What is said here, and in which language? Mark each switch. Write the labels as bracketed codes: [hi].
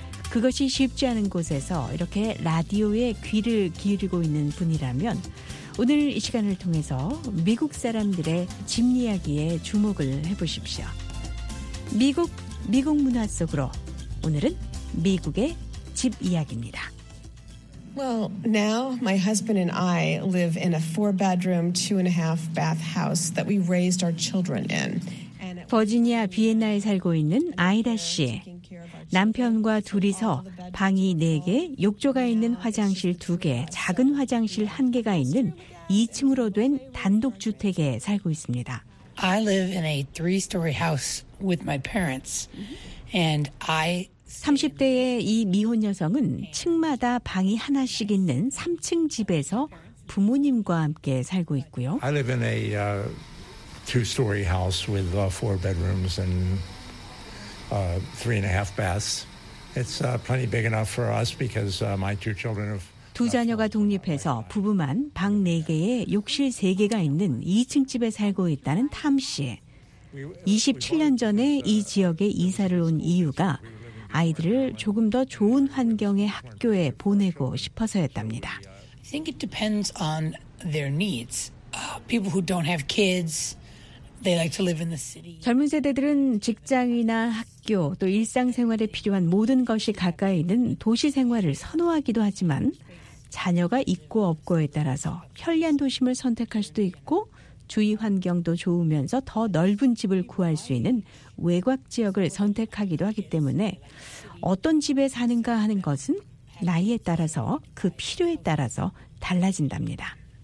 [ko] 그것이 쉽지 않은 곳에서 이렇게 라디오에 귀를 기울이고 있는 분이라면 오늘 이 시간을 통해서 미국 사람들의 집 이야기에 주목을 해보십시오. 미국, 미국 문화 속으로 오늘은 미국의 집 이야기입니다. [en] Well, now my husband and I live in a four-bedroom, two-and-a-half-bath house that we raised our children in. [ko] 버지니아 비엔나에 살고 있는 아이라 씨. 남편과 둘이서 방이 4개, 욕조가 있는 화장실 2개, 작은 화장실 1개가 있는 2층으로 된 단독주택에 살고 있습니다. [en] I live in a three-story house with my parents, and I... [ko] 30대의 이 미혼 여성은 층마다 방이 하나씩 있는 3층 집에서 부모님과 함께 살고 있고요. [en] I live in a two-story house with four bedrooms and three and a half baths. It's plenty big enough for us because my two children have [ko] 두 자녀가 독립해서 부부만 방 4개에 욕실 3개가 있는 2층 집에 살고 있다는 탐 씨. 27년 전에 이 지역에 이사를 온 이유가 아이들을 조금 더 좋은 환경의 학교에 보내고 싶어서였답니다. [en] I think it depends on their needs. People who don't have kids, they like to live in the city. [ko] 젊은 세대들은 직장이나 학교 또 일상생활에 필요한 모든 것이 가까이 있는 도시 생활을 선호하기도 하지만 자녀가 있고 없고에 따라서 편리한 도심을 선택할 수도 있고 주위 환경도 좋으면서 더 넓은 집을 구할 수 있는 외곽 지역을 선택하기도 하기 때문에 어떤 집에 사는가 하는 것은 나이에 따라서 그 필요에 따라서 달라진답니다.